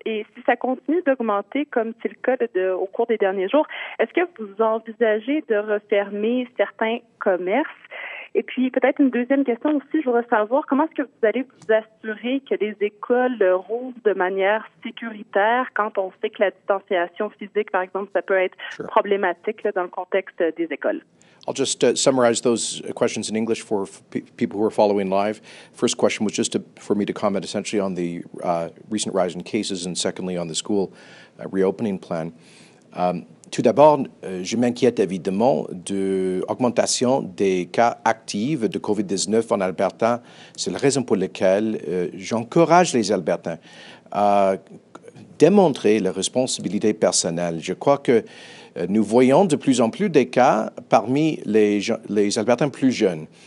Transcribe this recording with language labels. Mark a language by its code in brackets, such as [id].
[fr] Et si ça continue d'augmenter, comme c'est le cas au cours des derniers jours, est-ce que vous envisagez de refermer certains commerces? Et puis, peut-être une deuxième question aussi, je voudrais savoir comment est-ce que vous allez vous assurer que les écoles rouvrent de manière sécuritaire quand on sait que la distanciation physique, par exemple, ça peut être problématique là, dans le contexte des écoles? [en] I'll just summarize those questions in English for people who are following live. First question was just for me to comment essentially on the recent rise in cases, and secondly on the school reopening plan. [fr] Tout d'abord, je m'inquiète évidemment de l'augmentation des cas actifs de COVID-19 en Alberta. C'est la raison pour laquelle j'encourage les Albertains à démontrer la responsabilité personnelle. Je crois que nous voyons de plus en plus des cas parmi les Albertains plus jeunes.